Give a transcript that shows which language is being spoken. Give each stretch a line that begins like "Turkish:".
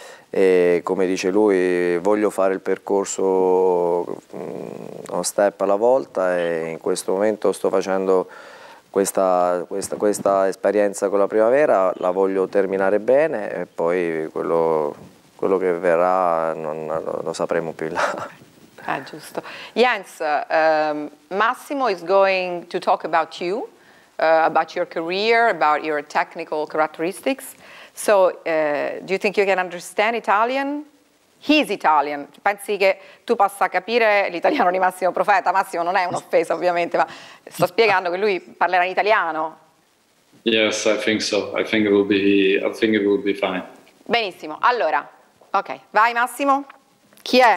Italian: E come dice lui, voglio fare il percorso uno step alla volta e in questo momento sto facendo questa esperienza con la primavera, la voglio terminare bene e poi quello che verrà non lo sapremo più là. Ah, giusto.
English: Jens, Massimo is going to talk about you, about your career, about your technical characteristics. So, do you think you can understand Italian? He's Italian.
Italian: Pensi che tu possa capire l'italiano di Massimo Profeta? Massimo non è un'offesa, ovviamente, ma sto spiegando che lui parlerà in italiano.
English: Yes, I think so. I think it will be fine.
Italian: Benissimo. Allora, ok. Vai, Massimo. Chi è?